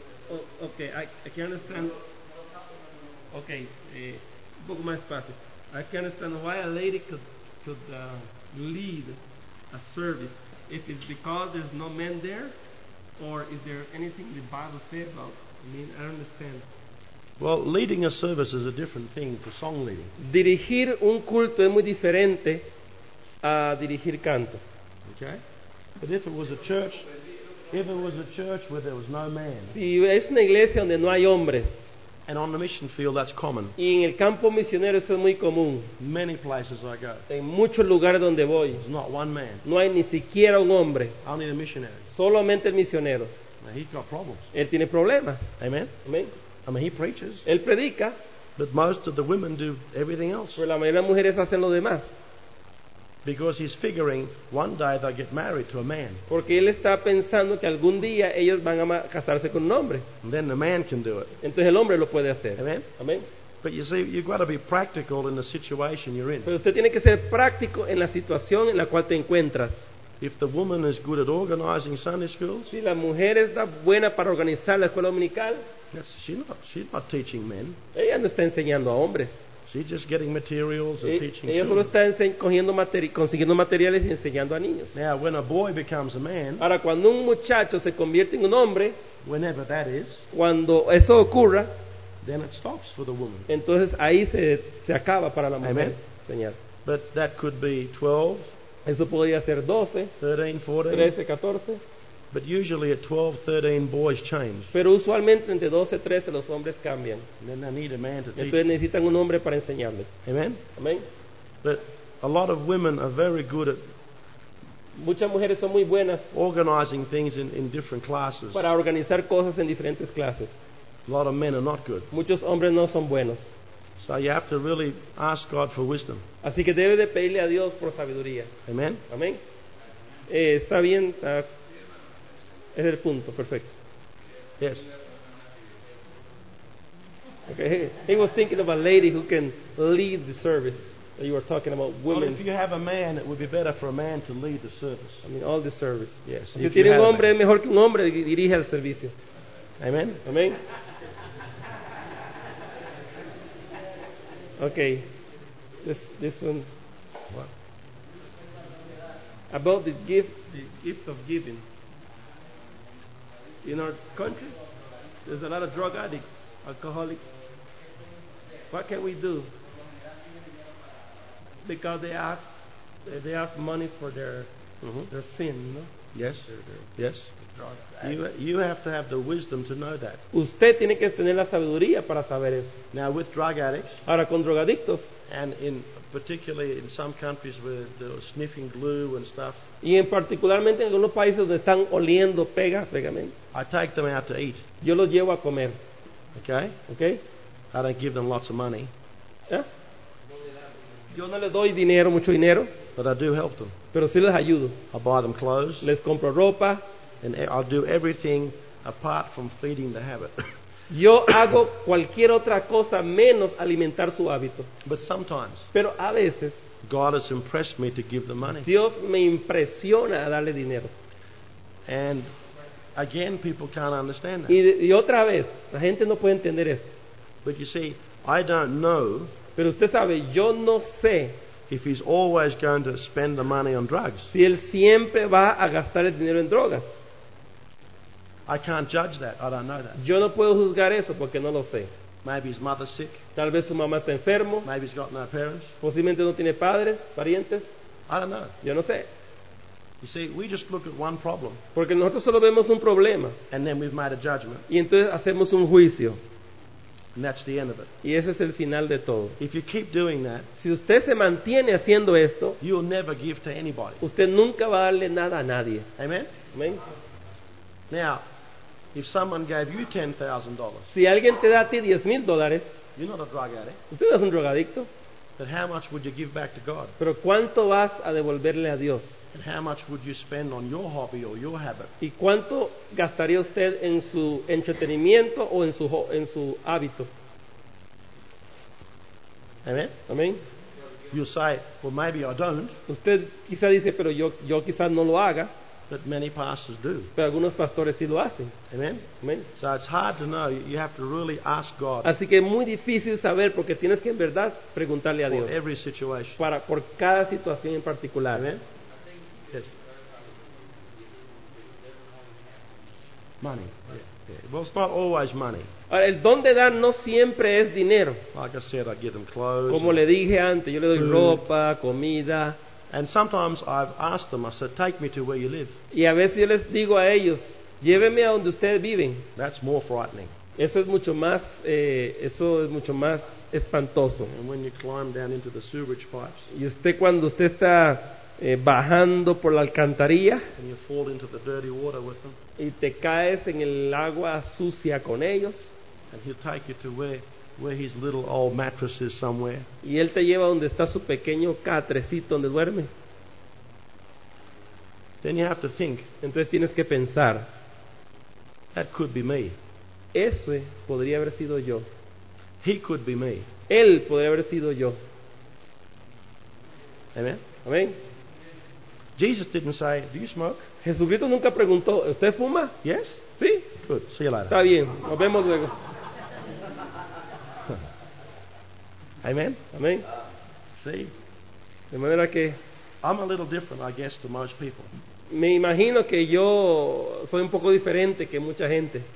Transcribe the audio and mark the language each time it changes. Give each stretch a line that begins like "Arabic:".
English: Okay, I can understand. Okay,
Spanish: un poco más fácil.
English: I can understand why a lady could lead a service. If it's because there's no men there, or is there anything the Bible says about? I mean, I don't understand. Well, leading a service is a different thing to song leading.
Spanish: Dirigir un culto es muy diferente a dirigir canto.
English: Okay, but if it was a church. If it was a church where there was no man.
Spanish: Si es una iglesia donde no hay hombres.
English: And on the mission field that's common.
Spanish: Y en el campo misionero eso es muy común.
English: Many places I go.
Spanish: En muchos lugares donde voy.
English: There's not one man.
Spanish: No hay ni siquiera un hombre.
English: Only the missionary.
Spanish: Solamente el misionero.
English: Now he's got problems.
Spanish: Él tiene problemas.
English: Amen.
Spanish: Amen.
English: I mean, he preaches.
Spanish: Él predica.
English: But most of the women do everything else.
Spanish: Pero la mayoría de las mujeres hacen lo demás.
English: Because he's figuring one day they'll get married to a man.
Spanish: Porque él está pensando que algún día ellos van a casarse con un hombre.
English: And then the man can do it.
Spanish: Entonces el hombre lo puede hacer.
English: Amen.
Spanish: Amen.
English: But you see, you've got to be practical in the situation you're in.
Spanish: Pero usted tiene que ser práctico en la situación en la cual te encuentras.
English: If the woman is good at organizing Sunday schools,
Spanish: si la mujer es buena para organizar la escuela dominical,
English: she's not teaching men.
Spanish: Ella no está enseñando a hombres.
English: She's just getting materials and teaching.
Spanish: Ella solo está consiguiendo materiales y enseñando a niños.
English: Now, when a boy becomes a man,
Spanish: ahora cuando un muchacho se convierte en un hombre,
English: whenever that is,
Spanish: cuando eso ocurra,
English: then it stops for the woman.
Spanish: Entonces ahí se acaba para la mujer. Señor.
English: But that could be 12.
Spanish: Eso podría ser 12.
English: 13, 14.
Spanish: 13, 14.
English: But usually at 12, 13 boys change.
Spanish: Pero usualmente entre 12 y 13 los hombres cambian.
English: And then they need a man to teach.
Spanish: Entonces necesitan un hombre para enseñarles.
English: Amen.
Spanish: Amen.
English: But a lot of women are very good at.
Spanish: Muchas mujeres son muy buenas.
English: Organizing things in different classes.
Spanish: Para organizar cosas en diferentes clases.
English: A lot of men are not good.
Spanish: Muchos hombres no son buenos.
English: So you have to really ask God for wisdom.
Spanish: Así que debe de pedirle a Dios por sabiduría.
English: Amen.
Spanish: Amen. Está bien. Es el punto. Perfecto.
English: Yes. Okay. He was thinking of a lady who can lead the service. You were talking about women. Well, if you have a man, it would be better for a man to lead the service. I mean, all the service. Yes.
Spanish: Si tiene un hombre, es mejor que un hombre dirija el servicio.
English: Amen.
Spanish: Amen.
English: Okay. This one. What? About the gift. The gift of giving. In our countries, there's a lot of drug addicts, alcoholics. What can we do? Because they ask money for their their sin, you know? Yes. Yes. You have to have the wisdom to know that.
Spanish: Usted tiene que tener la sabiduría para saber eso.
English: Now with drug addicts.
Spanish: Ahora con drogadictos.
English: And particularly in some countries where they're sniffing glue and stuff.
Spanish: Y en particularmente en algunos países donde están oliendo pegamento.
English: I take them out to eat.
Spanish: Yo los llevo a comer.
English: Okay. Okay. I don't give them lots of money. Yeah.
Spanish: Yo no les doy dinero, mucho dinero.
English: But I do help them.
Spanish: Pero sí les ayudo.
English: I buy them clothes.
Spanish: Les compro ropa.
English: And I'll do everything apart from feeding the habit.
Spanish: Yo hago cualquier otra cosa menos alimentar su hábito.
English: But sometimes.
Spanish: Pero a veces.
English: God has impressed me to give the money.
Spanish: Dios me impresiona a darle dinero.
English: And again, people can't understand that.
Spanish: Y otra vez, la gente no puede entender esto.
English: But you see, I don't know.
Spanish: Pero usted sabe, yo no sé.
English: If he's always going to spend the money on drugs.
Spanish: Si él siempre va a gastar el dinero en drogas.
English: I can't judge that. I don't know that.
Spanish: Yo no puedo juzgar eso porque no lo sé.
English: Maybe his mother's sick.
Spanish: Tal vez su mamá está enfermo.
English: Maybe he's got no parents.
Spanish: Posiblemente no tiene padres, parientes.
English: I don't know.
Spanish: Yo no sé.
English: You see, we just look at one problem.
Spanish: Porque nosotros solo vemos un problema.
English: And then we've made a judgment.
Spanish: Y entonces hacemos un juicio.
English: And that's the end of it.
Spanish: Y ese es el final de todo.
English: If you keep doing that,
Spanish: si usted se mantiene haciendo esto,
English: you'll never give to anybody.
Spanish: Usted nunca va a darle nada a nadie.
English: Amen.
Spanish: Amen.
English: Now, if someone gave you $10,000,
Spanish: si alguien te da a ti $10,000,
English: you're not a drug addict.
Spanish: Usted no es un drogadicto.
English: But how much would you give back to God?
Spanish: Pero ¿cuánto vas a devolverle a Dios?
English: And how much would you spend on your hobby or your habit?
Spanish: ¿Y cuánto gastaría usted en su entretenimiento o en su hábito?
English: Amen.
Spanish: Amen.
English: You say, well, maybe I don't.
Spanish: Usted quizá dice, pero yo quizá no lo haga.
English: But many pastors do.
Spanish: Pero algunos pastores sí lo hacen.
English: Amen.
Spanish: Amen.
English: So it's hard to know. You have to really ask God.
Spanish: Así que es muy difícil saber porque tienes que en verdad preguntarle a Dios.
English: For every situation.
Spanish: Para por cada situación en particular.
English: Amen. Yes. Money. Yeah. Well, it's not always money.
Spanish: Ahora, el don de dar no siempre es dinero.
English: Like I said, I give them clothes.
Spanish: Como le dije antes, yo le doy ropa, comida.
English: And sometimes I've asked them, I said, take me to where you live.
Spanish: Y a veces yo les digo a ellos, lléveme a donde ustedes viven.
English: That's more frightening.
Spanish: Eso es mucho más espantoso.
English: And when you climb down into the sewage pipes.
Spanish: Y usted cuando usted está bajando por la alcantarilla.
English: And you fall into the dirty water with them.
Spanish: Y te caes en el agua sucia con ellos.
English: And he'll take you to where his little old mattress is somewhere.
Spanish: Y él te lleva donde está su pequeño catrecito donde duerme.
English: Then you have to think.
Spanish: Entonces tienes que pensar.
English: That could be me.
Spanish: Ese podría haber sido yo.
English: He could be me.
Spanish: Él podría haber sido yo.
English: Amen.
Spanish: Amen.
English: Jesus didn't say, "Do you smoke?"
Spanish: Jesucristo nunca preguntó, ¿usted fuma?
English: Yes.
Spanish: Sí.
English: Good. See you later.
Spanish: Está bien. Nos vemos luego.
English: Amen.
Spanish: Amen.
English: See.
Spanish: De manera que.
English: I'm a little different, I guess, to most people.
Spanish: Me imagino que yo soy un poco diferente que mucha gente.